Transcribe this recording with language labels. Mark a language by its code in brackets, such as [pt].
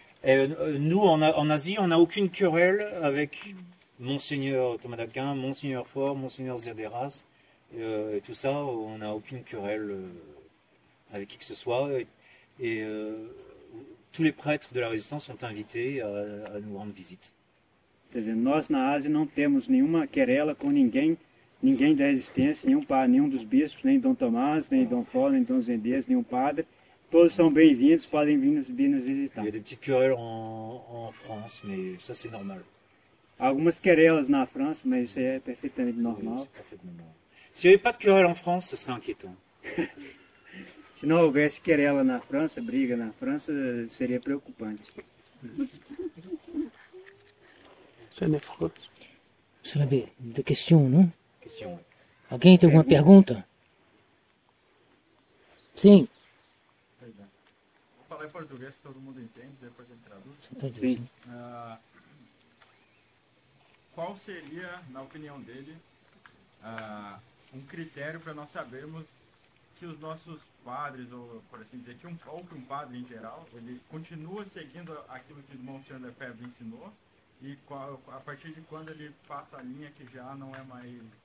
[fr] Et nous, en Asie, on n'a aucune querelle avec Monseigneur Thomas d'Aquin, Monseigneur Faure, Monseigneur Zederas. Et tout ça, on n'a aucune querelle avec qui que ce soit. Tous les prêtres de la résistance sont invités à nous rendre visite. C'est-à-dire, nous, en Asie, nous n'avons aucune querelle avec ninguém. [pt] Ninguém da existência, nenhum padre, nenhum dos bispos, nem Dom Tomás, nem Dom Fó, nem Dom Zendias, nenhum padre. Todos são bem-vindos, podem vir nos visitar. [fr] Il y a des petites querelles en France, mais ça c'est normal. [pt] Algumas querelas na França, mas isso é perfeitamente normal. Se houvesse [fr] pas de querelle en France, ce serait inquiétant. [pt] Se não houvesse querela na França, briga na França, seria preocupante. [fr] C'est une affreuse. Ça n'avait de question, non? [pt] Alguém tem alguma pergunta? Sim. Vou falar em português, todo mundo entende, depois ele traduz. Sim. Qual seria, na opinião dele, um critério para nós sabermos que os nossos padres, ou por assim dizer, que um padre em geral, ele continua seguindo aquilo que o Monsenhor Lefebvre ensinou, e qual, a partir de quando ele passa a linha que já não é mais...